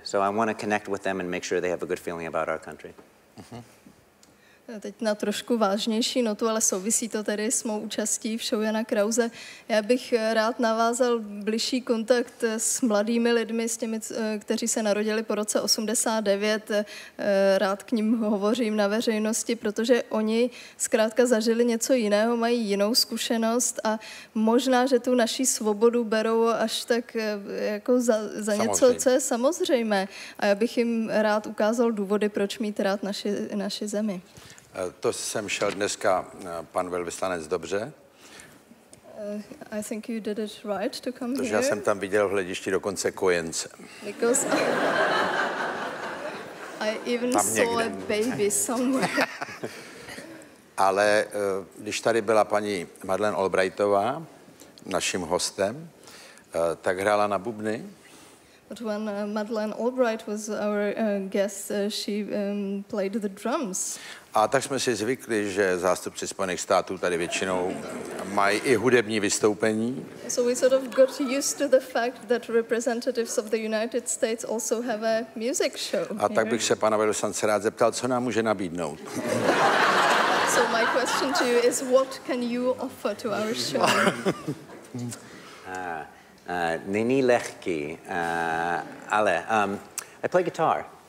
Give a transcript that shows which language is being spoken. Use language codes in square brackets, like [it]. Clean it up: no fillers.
[en] So I want to connect with them and make sure they have a good feeling about our country. Mm-hmm. [cs] Teď na trošku vážnější notu, ale souvisí to tedy s mou účastí v show Jana Krause. Já bych rád navázal bližší kontakt s mladými lidmi, s těmi, kteří se narodili po roce 89. Rád k ním hovořím na veřejnosti, protože oni zkrátka zažili něco jiného, mají jinou zkušenost a možná, že tu naši svobodu berou až tak jako za něco, co je samozřejmé. A já bych jim rád ukázal důvody, proč mít rád naši zemi. To jsem šel dneska, pan velvyslanec, dobře. [en] I think you did it right to come [cs] protože [en] here. [cs] Já jsem tam viděl v hledišti dokonce kojence. [en] Because I even [cs] tam [en] saw [cs] někde. [en] A baby somewhere. [cs] Ale když tady byla paní Madeleine Albrightová, naším hostem, tak hrála na bubny. [en] But when Madeleine Albright was our guest, she played the drums. [cs] A tak jsme si zvykli, že zástupci Spojených států tady většinou mají i hudební vystoupení. [en] So we sort of got used to the fact that representatives of the United States also have a music show. [cs] A tak bych se pana velvyslance rád zeptal, co nám může nabídnout. [en] So my question to you is, what can you offer to our show? [cs] Není lehký, ale [en] I play guitar.